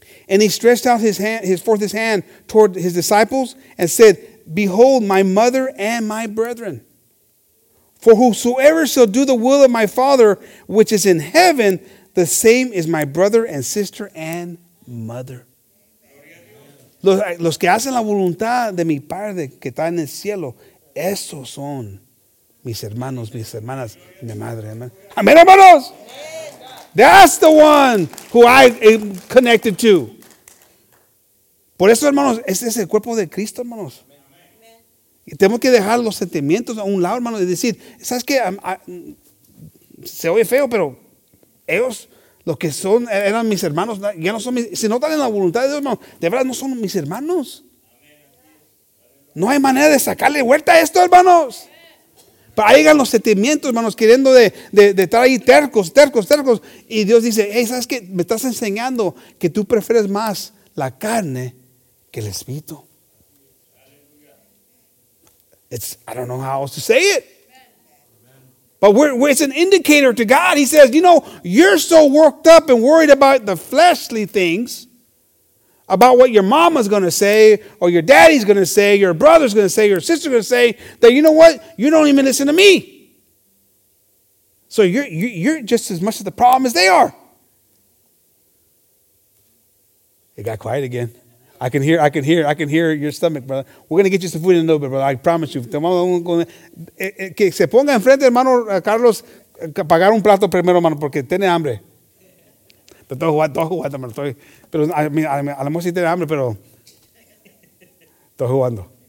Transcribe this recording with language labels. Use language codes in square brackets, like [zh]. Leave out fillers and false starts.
[en] And he stretched out his hand toward his disciples and said, behold, my mother and my brethren. For whosoever shall do the will of my Father, which is in heaven, the same is my brother and sister and mother. [es] Los que hacen la voluntad de mi Padre que está en el cielo, esos son mis hermanos, mis hermanas, mi madre. Amen, hermanos. [en] That's the one who I am connected to. [es] Por eso, hermanos, este es el cuerpo de Cristo, hermanos. Y tenemos que dejar los sentimientos a un lado, hermano, y decir, ¿sabes qué? Se oye feo, pero ellos, los que son, eran mis hermanos, ya no son mis, si no están en la voluntad de Dios, hermano, de verdad no son mis hermanos. No hay manera de sacarle vuelta a esto, hermanos. Llegan los sentimientos, hermanos, queriendo de estar ahí tercos. Y Dios dice, hey, ¿sabes qué? Me estás enseñando que tú prefieres más la carne que el espíritu. [en] It's, I don't know how else to say it. But we're, it's an indicator to God. He says, you know, you're so worked up and worried about the fleshly things, about what your mama's going to say, or your daddy's going to say, your brother's going to say, your sister's going to say, that you know what? You don't even listen to me. So you're just as much of the problem as they are. It got quiet again. I can hear your stomach, brother. We're going to get you some food in a little bit, brother. I promise you. [es] Que se ponga enfrente, hermano Carlos, pagar un plato primero, hermano, porque tiene hambre. Pero estoy jugando, hermano. Pero a lo mejor sí tiene hambre, pero estoy jugando.